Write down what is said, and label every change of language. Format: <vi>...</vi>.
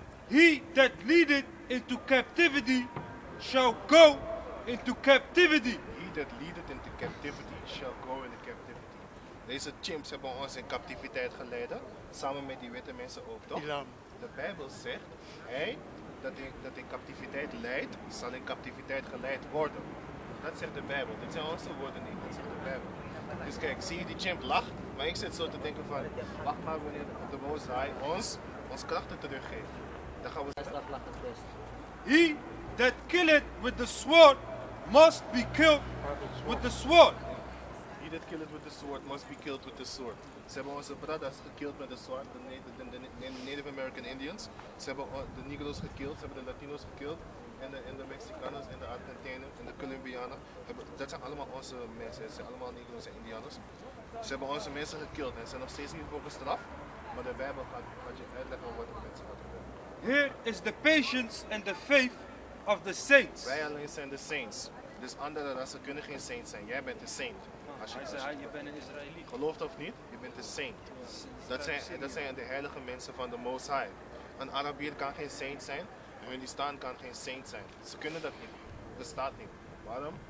<en>He that leadeth into captivity shall go into captivity. He that leadeth into captivity shall go into captivity.</en> <nl>Deze chimps hebben ons in captiviteit geleiden, samen met die witte mensen ook, toch? Islam. De Bijbel zegt, hij dat in captiviteit leidt, zal in captiviteit geleid worden. Dat zegt de Bijbel. Dit zijn onze woorden niet, dat zegt de Bijbel. Dus kijk, zie je die chimp lacht? Maar ik zit zo te denken van, wacht maar wanneer de boze haai ons krachten teruggeeft. Dan gaan we</nl> <en>He that killeth with the sword must be killed with the sword. He that killeth with the sword must be killed with the sword.</en> <nl>Ze hebben onze brothers gekillt met de sword, de Native American Indians. Ze hebben de Negro's gekillt, ze hebben de Latino's gekillt. En de Mexicanos, en de Argentijnen, en de Colombianen. Dat zijn allemaal onze mensen, ze zijn allemaal Negro's en Indianers. Ze hebben onze mensen gekillt en zijn nog steeds niet voor gestraft. Maar de Bijbel gaat je uitleggen wat de mensen gaan doen.</nl> <en>Here is the patience and the faith of the saints.</en> <nl>Wij alleen zijn de saints. Dus andere rassen kunnen geen saints zijn. Jij bent de saint. Je bent een Israëliet. Gelooft of niet, je bent de saint. Dat zijn de heilige mensen van de Most High. Een Arabier kan geen saint zijn. Hun die staan kan geen saint zijn. Ze kunnen dat niet. Dat staat niet. Waarom?</nl>